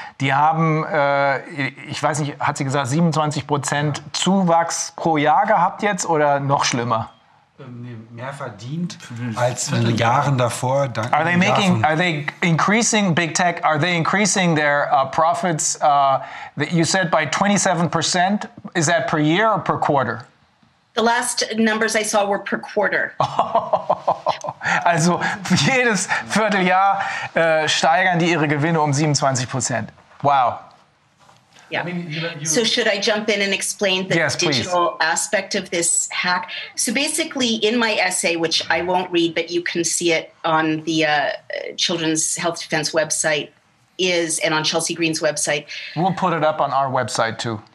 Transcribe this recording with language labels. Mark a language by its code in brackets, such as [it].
[de] Die haben, ich weiß nicht, hat sie gesagt, 27% Zuwachs pro Jahr gehabt jetzt oder noch schlimmer? Mehr verdient als in den Jahren davor. [en] Are they making, are they increasing big tech? Are they increasing their profits? You said by 27%. Is that per year or per quarter? The last numbers I saw were per quarter. [de] Also jedes Vierteljahr steigern die ihre Gewinne um 27%. Wow. Yeah. [en] So should I jump in and explain the digital aspect of this hack? So basically, in my essay, which I won't read, but you can see it on the Children's Health Defense website, is and on Chelsea Green's website. We'll put it up on our website, too.